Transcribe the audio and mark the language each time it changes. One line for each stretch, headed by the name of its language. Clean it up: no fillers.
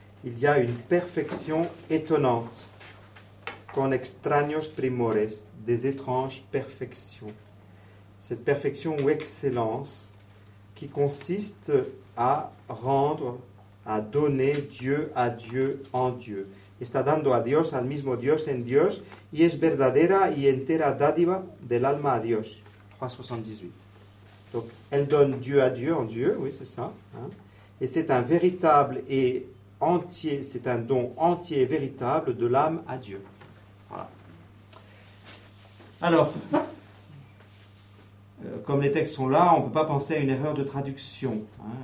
French: Il y a une perfection étonnante,
Spanish: con extraños primores,
French: des étranges perfections. Cette perfection ou excellence qui consiste à rendre, à donner Dieu à Dieu en Dieu.
Spanish: Está dando a Dios, al mismo Dios en Dios, y es verdadera y entera dádiva del alma a Dios. 378.
French: Donc, elle donne Dieu à Dieu en Dieu, oui, c'est ça. Hein? Et c'est un véritable et entier, c'est un don entier et véritable de l'âme à Dieu. Voilà. Alors, comme les textes sont là, on ne peut pas penser à une erreur de traduction. Hein?